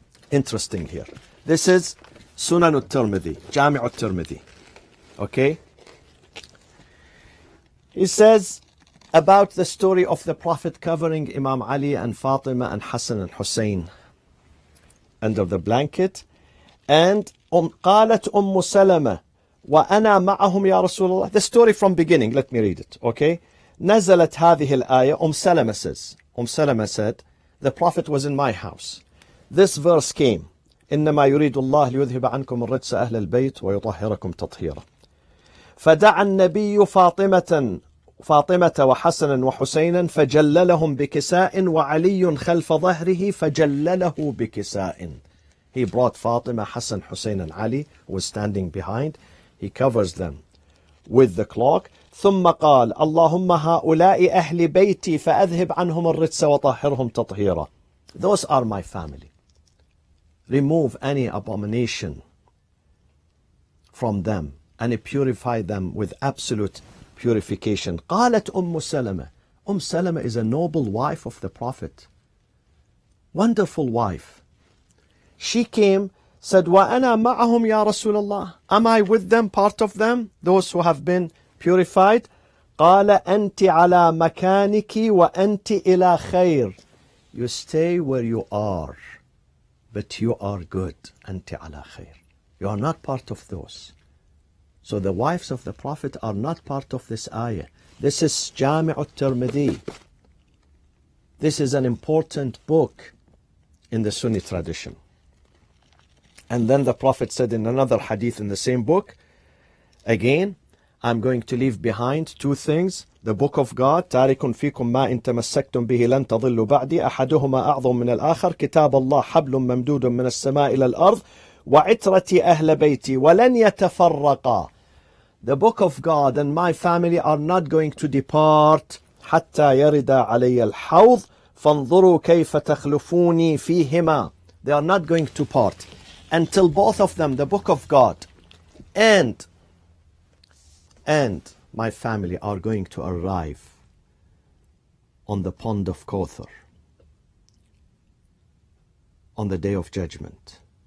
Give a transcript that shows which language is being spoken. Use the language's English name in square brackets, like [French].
[English] Interesting here. This is Sunan al-Tirmidhi, Jami' al-Tirmidhi. Okay? He says about the story of the Prophet covering Imam Ali and Fatima and Hassan and Hussein under the blanket. And [Arabic] قالت أم سلمة وأنا معهم يا رسول الله. [English] The story from beginning, let me read it, okay? [Arabic] نزلت هذه الآية, [English] أم سلمة said, the Prophet was in my house. This verse came, [Arabic] إنما يريد الله ليذهب عنكم الرجس أهل البيت ويطهركم تطهيرا. فدعا النبي فاطمة وحسنا وحسينا فجللهم بكساء وعلي خلف ظهره فجلله بكساء. [English] He brought Fatima, Hassan, Hussein, and Ali, who was standing behind. He covers them with the cloak. [Arabic] ثم قال اللهم هؤلاء أهل بيتي فأذهب عنهم الرجس وطهرهم تطهيرا. [English] Those are my family. Remove any abomination from them and purify them with absolute purification. [Arabic] قالت أم سلمة. [English] أم سلمة is a noble wife of the Prophet. Wonderful wife. She came, said, [Arabic] وَأَنَا مَعَهُمْ يَا رَسُولَ اللَّهِ. [English] Am I with them, part of them, those who have been purified? [Arabic] قَالَ أَنْتِ عَلَى مَكَانِكِ وَأَنْتِ إِلَى خَيْرٍ. [English] You stay where you are, but you are good. [Arabic] أَنْتِ عَلَى خَيْرٍ. [English] You are not part of those. So the wives of the Prophet are not part of this ayah. This is Jami' al-Tirmidhi. This is an important book in the Sunni tradition. And then the Prophet said in another hadith in the same book, again, I'm going to leave behind two things. The book of God, [Arabic] تَارِكٌ فِيكُمْ مَا إِن تَمَسَّكْتُمْ بِهِ لَن تَضِلُّ بَعْدِي أَحَدُهُمَا أَعْظُمْ مِنَ الْآخَرِ كِتَابَ اللَّهِ حَبْلٌ مَمْدُودٌ مِنَ السَّمَاءِ إِلَى الْأَرْضِ وَعِتْرَتِي أَهْلَ بَيْتِي وَلَن يَتَفَرَّقَا. [English] The book of God and my family are not going to depart [Arabic] حَتَّى يَرِدَ عَلَيَّ الْحَوْضِ فَانْظُرُوا كَيْفَ تَخْلُفُونِي فِيهِمَا. [English] They are not going to part until both of them, the book of God and my family, are going to arrive on the pond of Kothar on the day of judgment.